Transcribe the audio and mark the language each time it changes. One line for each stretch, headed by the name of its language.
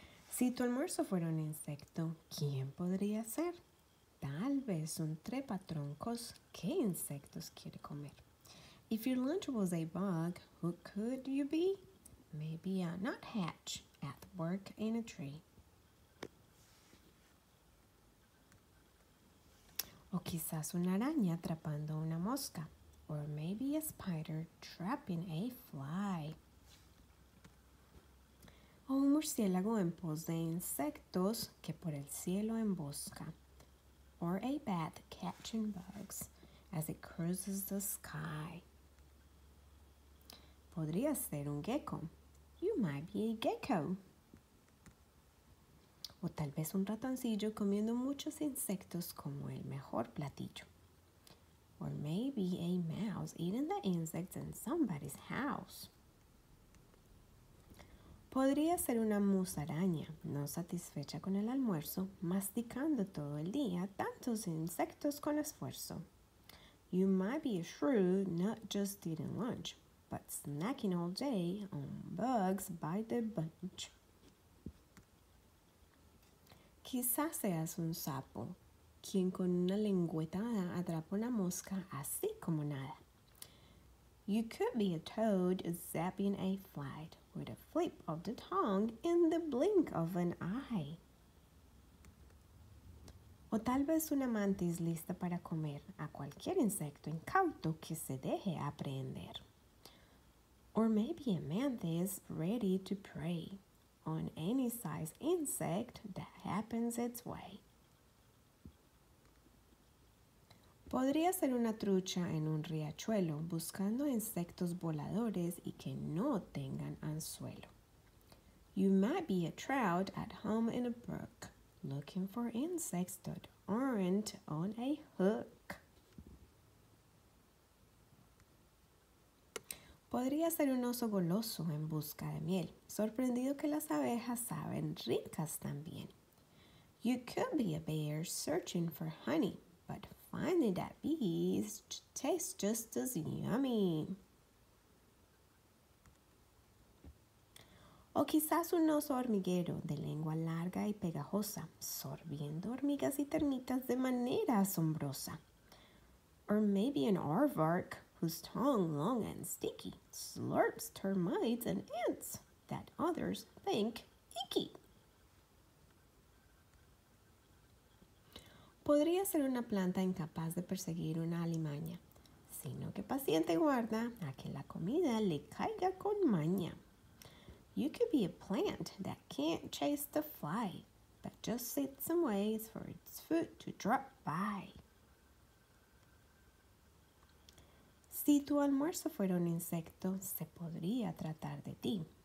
Spanish: Si tu almuerzo fuera un insecto, ¿quién podría ser? Tal vez un trepatroncos, ¿qué insectos quiere comer?
English: If your lunch was a bug, who could you be? Maybe a nuthatch at work in a tree.
Spanish: O quizás una araña atrapando una mosca.
English: Or maybe a spider trapping a fly.
Spanish: O un murciélago en pos de insectos que por el cielo embosca.
English: Or a bat catching bugs as it cruises the sky.
Spanish: Podría ser un gecko.
English: You might be a gecko.
Spanish: O tal vez un ratoncillo comiendo muchos insectos como el mejor platillo.
English: Or maybe a mouse eating the insects in somebody's house.
Spanish: Podría ser una musaraña, no satisfecha con el almuerzo, masticando todo el día tantos insectos con esfuerzo.
English: You might be a shrew, not just eating lunch, but snacking all day on bugs by the bunch.
Spanish: Quizás seas un sapo, quien con una lengüetada atrapa una mosca así como nada.
English: You could be a toad zapping a fly with a flip of the tongue in the blink of an eye.
Spanish: O tal vez una mantis lista para comer a cualquier insecto incauto que se deje aprehender.
English: Or maybe a mantis ready to prey on any size insect that happens its way.
Spanish: Podría ser una trucha en un riachuelo buscando insectos voladores y que no tengan anzuelo.
English: You might be a trout at home in a brook looking for insects that aren't on a hook.
Spanish: Podría ser un oso goloso en busca de miel, sorprendido que las abejas saben ricas también.
English: You could be a bear searching for honey, but finding that bees taste just as yummy.
Spanish: O quizás un oso hormiguero de lengua larga y pegajosa, sorbiendo hormigas y termitas de manera asombrosa.
English: Or maybe an aardvark whose tongue, long and sticky, slurps termites and ants that others think icky.
Spanish: Podría ser una planta incapaz de perseguir una alimaña, sino que paciente guarda a que la comida le caiga con maña.
English: You could be a plant that can't chase the fly, but just sits and waits for its food to drop by.
Spanish: Si tu almuerzo fuera un insecto, se podría tratar de ti.